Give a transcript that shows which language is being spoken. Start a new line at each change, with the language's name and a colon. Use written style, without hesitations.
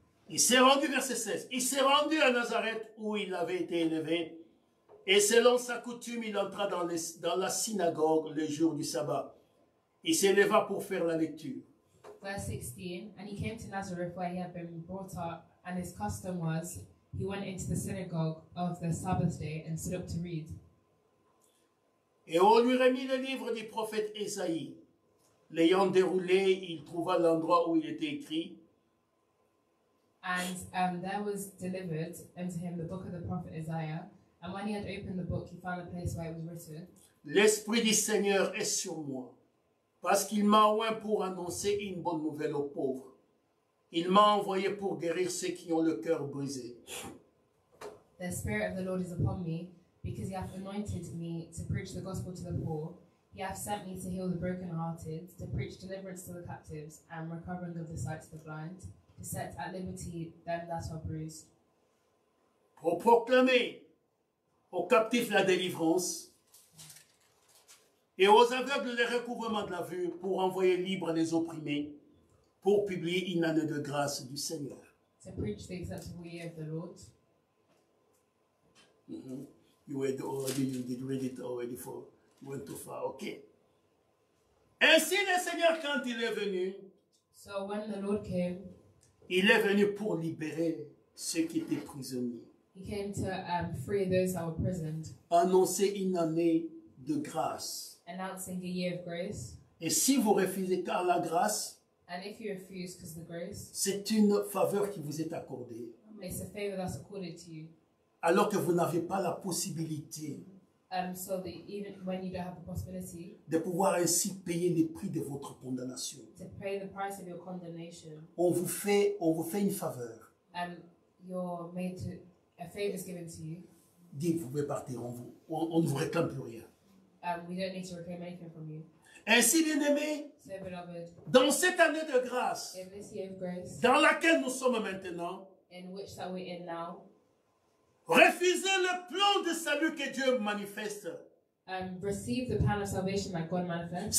French: Il s'est rendu, verset 16, il s'est rendu à Nazareth où il avait été élevé. Et selon sa coutume, il entra dans la synagogue le jour du sabbat. Il s'éleva pour faire la lecture.
English: Verse 16, and he came to Nazareth where he had been brought up, and his custom was, he went into the synagogue of the Sabbath day and stood up to read.
French: Et on lui remit le livre du prophète Esaïe. L'ayant déroulé, il trouva l'endroit où il était écrit.
English: And there was delivered unto him the book of the prophet Isaiah. And when he had opened the book, he found the place where it was written.
French: L'Esprit du Seigneur est sur moi, parce qu'il m'a oint pour annoncer une bonne nouvelle aux pauvres. Il m'a envoyé pour guérir ceux qui ont le cœur brisé.
English: The Spirit of the Lord is upon me, because he hath anointed me to preach the gospel to the poor. He hath sent me to heal the brokenhearted, to preach deliverance to the captives, and recovering of the sight to the blind, to set at liberty them that are bruised.
French: Pour proclamer aux captifs la délivrance, et aux aveugles le recouvrement de la vue, pour envoyer libres les opprimés, pour publier une année de grâce du Seigneur.
English: To preach the acceptable year of the Lord. You did read it already. Went too far, okay.
French: Ainsi le Seigneur, quand il est venu,
English: so when the Lord came,
French: il est venu pour libérer ceux qui étaient prisonniers.
English: He came to free those that were prisoned.
French: Annoncer une année de grâce.
English: Announcing a year of grace.
French: Et si vous refusez car la grâce,
English: and if you refuse because the grace,
French: c'est une faveur qui vous est accordée.
English: It's a favor that's accorded to you.
French: Alors que vous n'avez pas la possibilité.
English: So that even when you don't have the possibility
French: de pouvoir ainsi payer le prix de votre condamnation,
English: to pay the price of your condemnation,
French: on vous fait une faveur.
English: A favor is given to you.
French: Dis, vous pouvez partir, on ne vous réclame plus rien.
English: We don't need to reclaim anything from you.
French: Ainsi, bien aimé,
English: so beloved,
French: dans cette année de grâce,
English: in this year of grace,
French: dans laquelle nous sommes maintenant,
English: in which that we're in now.
French: Refusez le plan de salut que Dieu manifeste.
English: Receive the plan of salvation that God manifests.